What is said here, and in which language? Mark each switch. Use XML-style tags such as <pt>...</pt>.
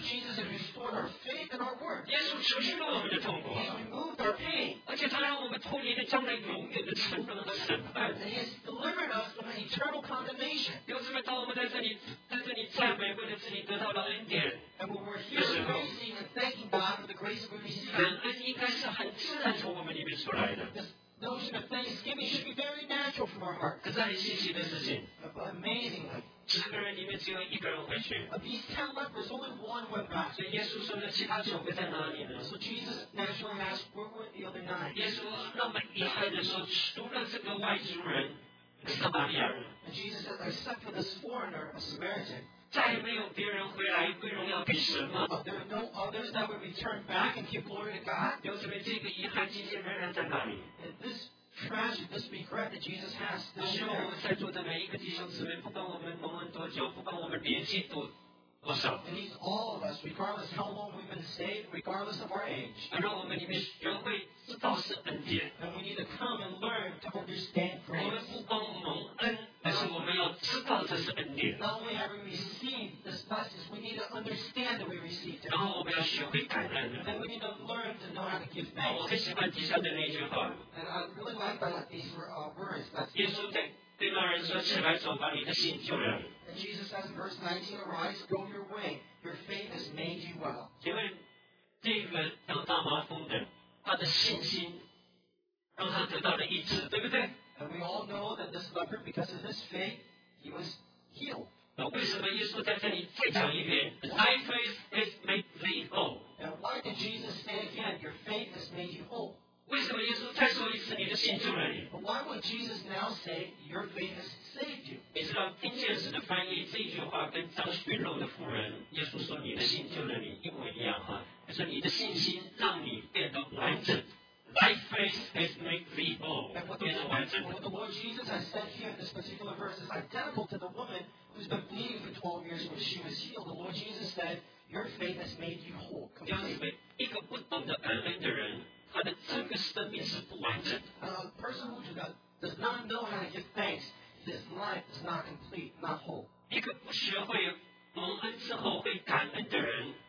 <en>Jesus has restored our faith and our worth.</en> <zh>耶稣除去了我们的痛苦。</zh> <en>He has removed our pain.</en> <zh>而且他让我们脱离了将来永远的沉沦和审判。</zh> <en>And he has delivered us from an eternal condemnation.</en> <zh>弟兄姊妹，当我们在这里赞美，为了自己得到了恩典。</zh> <en>And when we're here praising and thanking God for the grace we receive.</en> <zh>感恩应该是很自然从我们里面出来的。</zh> <en>The notion of thanksgiving should be very natural from our heart.</en> <zh>可是很稀奇的事情。</zh> <en>But amazingly,</en> <zh>十个人里面只有一个人回去。</zh> <en>Of these ten lepers, only one went back.</en> <zh>所以耶稣说的其他九个在哪里呢</zh> <en>？So Jesus naturally asked, "Where were the other nine?"</en> <zh>耶稣那么遗憾的说，除了这个外族人，撒玛利亚人。</zh> <en>And Jesus said, "Except for this foreigner, a Samaritan."</en> <zh>再没有别人回来归荣耀给神吗</zh> <en>？But there are no others that would return back and give glory to God.</en> <zh>有什么这个遗憾今天仍然在哪里？</zh> <en>This tragedy, this regret that Jesus has still there.</en> <zh>希望我们在座的每一个弟兄姊妹，不管我们蒙恩多久，不管我们年纪多少</zh> <en>，It needs all of us, regardless how long we've been saved, regardless of our age.</en> <zh>让我们里面学会知道是恩典。</zh> <en>And we need to come and learn to understand grace.</en> <zh>我们不光蒙恩，但是我们要知道这是恩典。</zh> <en>Not only have we received this blessing, we need to understand that we received it.</en> <zh>然后我们要学会感恩。</zh> <en>And we need to learn to know how to give thanks.</en> <zh>我很喜欢底下的那句话。</zh> <en>And I really like that these were words.</en> <zh>耶稣对那人说：“起来，走，把你的信救了。”</zh> <en>And Jesus says in verse 19, "Arise, go your way. Your faith has made you well."</en> <zh>请问这个得大麻风的，他的信心让他得到了医治，对不对？</zh> <en>And we all know that this leper, because of his faith, he was healed.</en> <zh>那为什么耶稣在这里再讲一遍 ？</zh> <en>My faith has made me whole. And why did Jesus say again, "Your faith has made you whole"?</en> <zh>为什么耶稣再说一次，你的信救了你</zh> <en>？But why would Jesus now say, "Your faith has saved you"?</en> <zh>你知道丁先生的翻译这句话跟张血肉的妇人耶稣说你的信救了你一模一样哈，他说你的信心让你变得完整。</zh> <en>My faith has made me whole. What the Lord Jesus has said here in this particular verse is identical to the woman who's been bleeding for 12 years when she was healed. The Lord Jesus said, "Your faith has made you whole."</en> <zh>弟兄姊妹，一个不懂得感恩的人，他的整个生命是不完整的。</zh> <en>A person who does not know how to give thanks, his life is not complete, not whole.</en> <zh>一个不学会蒙恩之后会感恩的人。</zh>